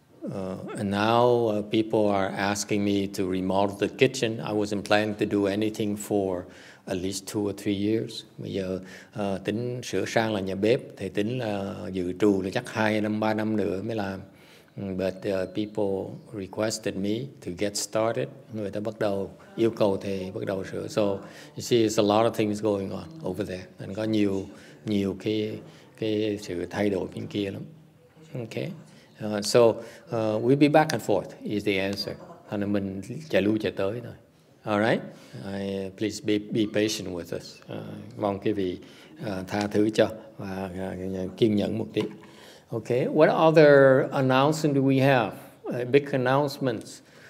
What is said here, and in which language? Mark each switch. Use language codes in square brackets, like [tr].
[en] And now people are asking me to remodel the kitchen. I wasn't planning to do anything for at least 2 or 3 years. [vi] Bây giờ tính sửa sang là nhà bếp, thầy tính là dự trù là chắc 2 năm, 3 năm nữa mới làm. [en] But people requested me to get started. [vi] Người ta bắt đầu yêu cầu thầy bắt đầu sửa. [en] So you see, there's a lot of things going on over there. [vi] And có nhiều nhiều cái sự thay đổi bên kia lắm. [en] Okay. So we'll be back and forth is the answer. [vi] Thế nên mình chạy lưu chạy tới thôi. [en] All right? Please be patient with us. [vi] Mong quý vị tha thứ cho và kiên nhẫn một tí. [en] Okay, what other announcements do we have? Big announcements.